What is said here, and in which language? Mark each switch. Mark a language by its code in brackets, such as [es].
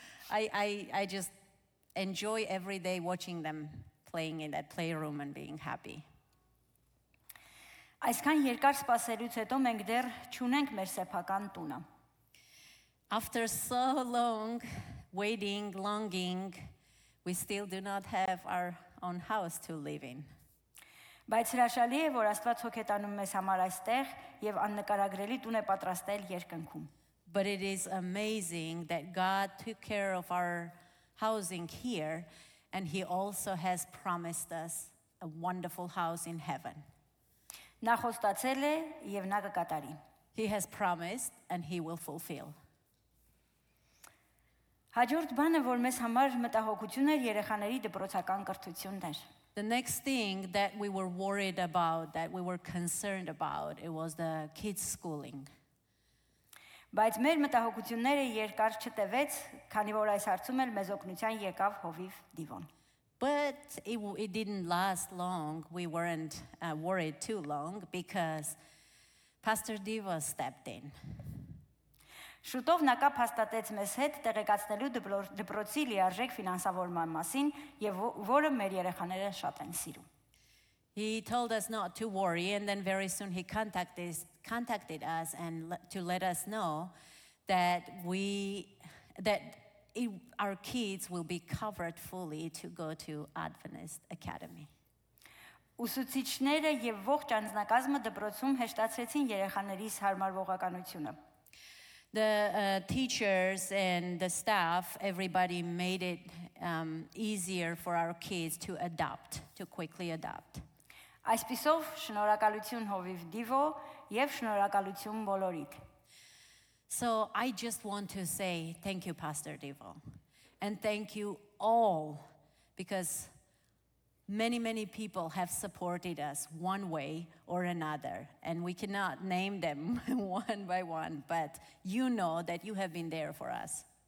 [en] I just enjoy every day watching them playing in that playroom and being happy. [hy] Այսքան երկար սպասելուց հետո մենք դեռ չունենք մեր սեփական տունը. [en] After so long waiting, longing, we still do not have our own house to live in. [hy] Բայց հրաշալի է, որ Աստված հոգեթանում մեզ համար այստեղ եւ աննկարագրելի տուն է պատրաստել երկնքում. [en] But it is amazing that God took care of our housing here and he also has promised us a wonderful house in heaven. [hy] Նա խոստացել է եւ նա կկատարի. [en] He has promised and he will fulfill. [hy] Հաջորդ բանը, որ մեզ համար մտահոգություն էր, երեխաների դպրոցական կրթությունն էր. [en] The next thing that we were worried about, that we were concerned about, it was the kids' schooling. [hy] Բայց մեր մտահոգությունները երկար չտևեց, քանի որ այս հարցում էլ մեզ օգնության եկավ հովիվ Դիվոն. [en] But it didn't last long. We weren't worried too long because Pastor Devo stepped in. [hy] Շուտով նա կապ հաստատեց մեզ հետ տեղեկացնելու դպրոցի լիարժեք ֆինանսավորման մասին եւ որը մեր երեխաները շատ են սիրում. [en] He told us not to worry and then very soon he contacted us and to let us know our kids will be covered fully to go to Adventist Academy. [hy] Ուսուցիչները եւ ողջ անձնակազմը դպրոցում հեշտացրեցին երեխաներիս հարմարվողականությունը. [en] The teachers and the staff, everybody made it easier for our kids to adapt, to quickly adapt. [hy] Այսպիսով շնորհակալություն հովիվ Դիվո եւ շնորհակալություն բոլորիդ. [en] So I just want to say thank you, Pastor Devo, and thank you all, because many, many people have supported us one way or another, and we cannot name them one by one, but you know that you have been there for us.